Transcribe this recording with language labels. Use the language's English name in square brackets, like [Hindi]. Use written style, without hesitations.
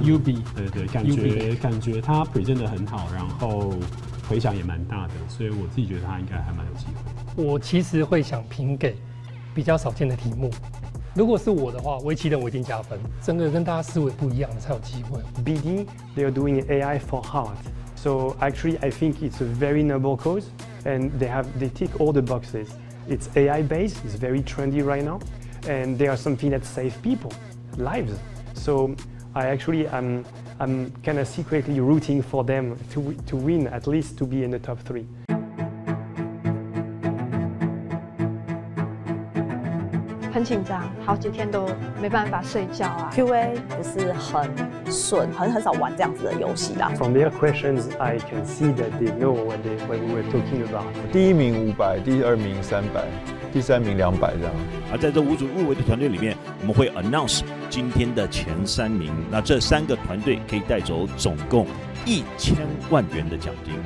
[Chinese] UB， 感觉他 present 得很好，然后回响也蛮大的，所以我自己觉得他应该还蛮有机会。我其实会想评给比较少见的题目。如果是我的话，围棋的我一定加分。整个跟大家思维不一样的才有机会。 [English] BD, they are doing AI for heart. So actually, I think it's a very noble cause, and they tick all the boxes. It's AI based, it's very trendy right now, and they are something that save people, lives. So I actually I'm kind of secretly rooting for them to win, at least to be in the top three. [Chinese] 很紧张，好几天都没办法睡觉啊。 QA 不是很顺，很少玩这样子的游戏啦。 [English] From their questions, I can see that they know what we were talking about. [Chinese] 第一名500，第二名300，第三名200这样。而在这5组入围的团队里面，我们会 announce 今天的前三名。那这三个团队可以带走总共1000万元的奖金。